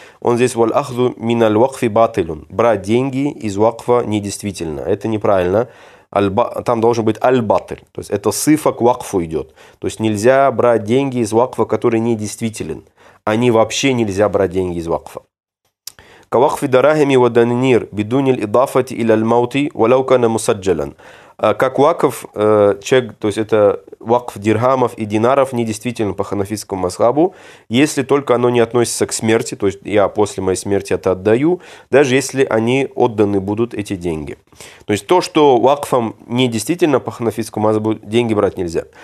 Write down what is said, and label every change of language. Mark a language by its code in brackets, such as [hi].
[ru] Он здесь брать деньги из вакфа недействительно. Это неправильно. Там должен быть аль-батль. То есть это сыфа к вакфу идет. То есть нельзя брать деньги из вакфа, который недействителен. Они вообще нельзя брать деньги из вакфа. [ar] كوقف دراهم ودنانير بدون الإضافة إلى الموت ولو كان مسجلا. [ru] Как вакф, чек, то есть это вакф дирхамов и динаров, недействительно по ханафитскому масхабу, если только оно не относится к смерти, то есть я после моей смерти это отдаю, даже если они отданы будут эти деньги. То есть то, что вакфом недействительно по ханафитскому масхабу, деньги брать нельзя.